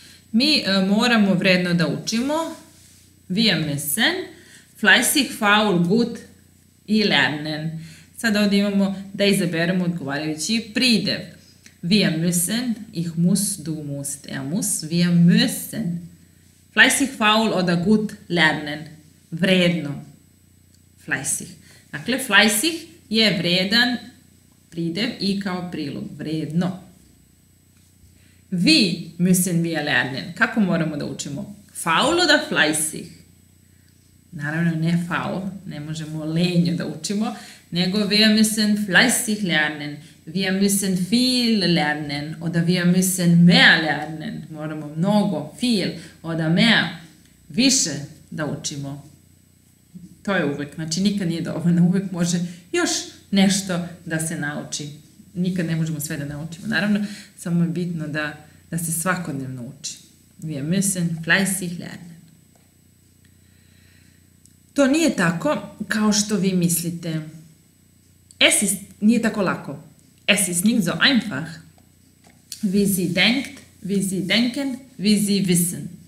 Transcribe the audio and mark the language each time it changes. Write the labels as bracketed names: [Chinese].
[Serbian] Mi moramo vredno da učimo. [German] Wir müssen fleißig, faul, gut i lernen. [Serbian] Sada ovdje imamo da izaberemo odgovarajući pridev. [German] Wir müssen, ich muss, du musst, er muss. Wir müssen fleißig, faul oder gut lernen. [Serbian] Vredno. Fleißig. Dakle, fleißig je vredan pridev i kao prilog. Vredno. [German] Wie müssen wir lernen? [Serbian] Kako moramo da učimo? [German] Faul oder fleißig? [Serbian] Naravno, ne [German] faul. [Serbian] Ne možemo lenjo da učimo. [German] Nego wir müssen fleißig lernen. Wir müssen viel lernen. Oder wir müssen mehr lernen. [Serbian] Moramo mnogo, [German] viel oder mehr. [Serbian] Više da učimo. To je uvek. Znači, nikad nije dovoljno. Uvek može još nešto da se nauči. Nikad ne možemo sve da naučimo. Naravno, samo je bitno da se svakodnevno uči. [German] Wir müssen fleißig lernen. [Serbian] To nije tako kao što vi mislite. [German] Es ist, [Serbian] nije tako lako. [German] Es ist nicht so einfach. Wie sie denkt, wie sie denken, wie sie wissen.